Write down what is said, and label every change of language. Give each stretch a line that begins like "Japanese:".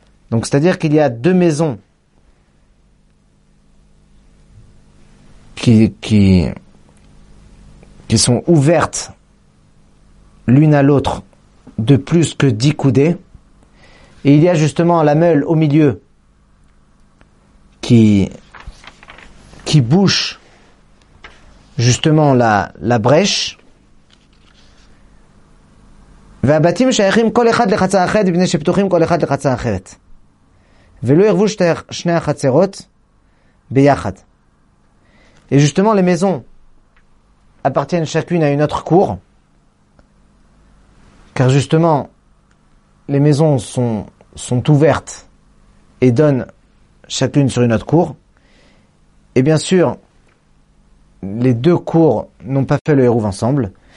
French: Donc c'est-à-dire qu'il y a deux maisons qui sont ouvertes l'une à l'autre de plus que 10 coudées, et il y a justement la meule au milieu qui bouche justement la brèche.
Hebrew: והבתים שייכים כל אחד לחצר אחרת בפני שפתוחים כל אחד לחצר אחרת. ולא ירבו שני החצרות ביחד.
French: Et justement les maisons appartiennent chacune à une autre cour, car justement les maisons sont ouvertes et donnent chacune sur une autre cour. Et bien sûr, les deux cours n'ont pas fait le hérouv ensemble.